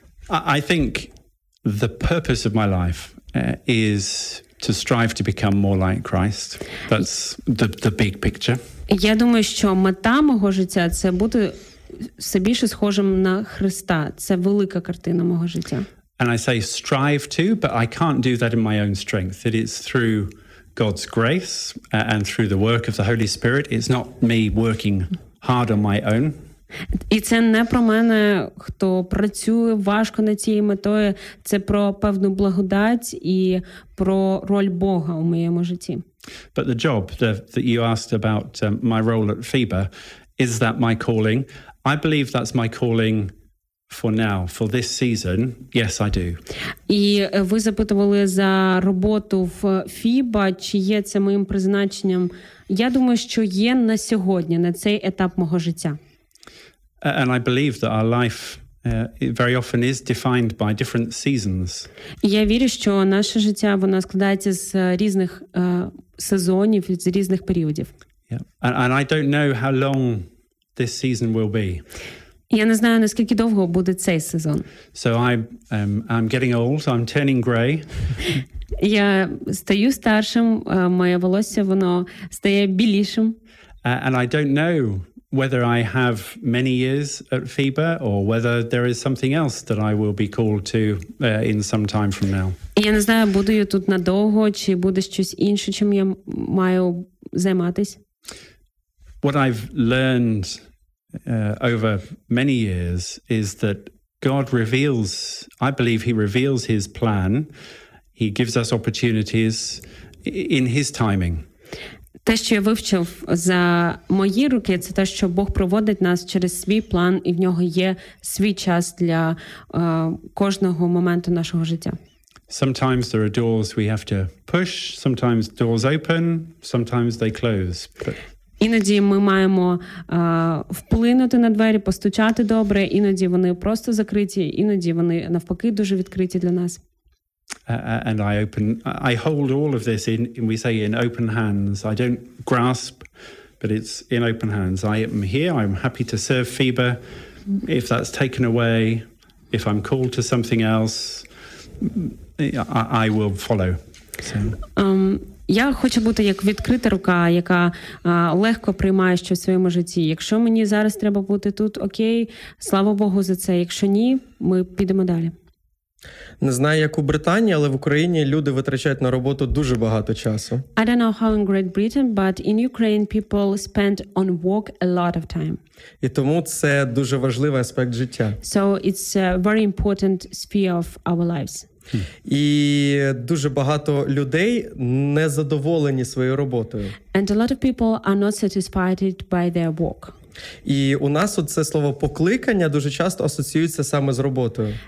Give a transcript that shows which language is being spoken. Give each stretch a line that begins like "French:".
English: I think the purpose of my life is to strive to become more like Christ. That's the big picture.
Ukrainian: Я думаю, що мета мого життя – це бути все більше схожим на Христа. Це велика картина мого життя.
English: And I say strive to, but I can't do that in my own strength. It is through God's grace and through the work of the Holy Spirit. It's not me working hard on my own.
Ukrainian: І це не про мене, хто працює важко над цією метою. Це про певну благодать і про роль Бога у моєму житті.
English: But the job that you asked about, my role at FIBA, is that my calling? I believe that's my calling for now, for this season, yes, I do.
Ukrainian: І ви запитували за роботу в FIBA, чи є це моїм призначенням? Я думаю, що є на сьогодні, на цей етап мого життя.
English: And I believe that our life very often is defined by different seasons.
Ukrainian: Я вірю, що наше життя, воно складається з різних сезонів, з різних періодів.
English: Yeah. And I don't know how long this season will be.
Ukrainian: Я не знаю, наскільки довго буде цей сезон.
English: So I'm getting old, I'm turning gray.
Ukrainian: Я стаю старшим, моє волосся, воно стає білішим.
English: And I don't know whether I have many years at FIBA or whether there is something else that I will be called to in some time from now.
Ukrainian: Я не знаю, буду я тут надовго, чи буде щось інше, чим я маю займатись.
English: What I've learned over many years is that God reveals, I believe he reveals his plan, he gives us opportunities in his timing.
Ukrainian: Те, що я вивчив за мої руки, це те, що Бог проводить нас через свій план, і в нього є свій час для кожного моменту нашого життя.
English: Sometimes there are doors we have to push, sometimes doors open, sometimes they close.
Ukrainian: Іноді ми маємо вплинути на двері, постучати добре, іноді вони просто закриті, іноді вони навпаки дуже відкриті для нас.
English: And I hold all of this in, we say, in open hands. I don't grasp, but it's in open hands. I am here, I'm happy to serve FIBA. If that's taken away, if I'm called to something else, I will follow. So.
Ukrainian: Я хочу бути як відкрита рука, яка легко приймає щось в своєму житті. Якщо мені зараз треба бути тут, окей, слава Богу за це. Якщо ні, ми підемо далі. Не знаю, як у Британії, але в Україні люди витрачають на роботу дуже багато часу.
English: I don't know how in Great Britain, but in Ukraine people spend on work a lot of time.
Ukrainian: І тому це дуже важливий аспект життя.
English: So it's a very important sphere of our lives.
Ukrainian: І дуже багато людей не задоволені своєю роботою.
English: And a lot of people are not satisfied by their work.
Ukrainian: І у нас от це слово покликання дуже часто асоціюється саме з роботою.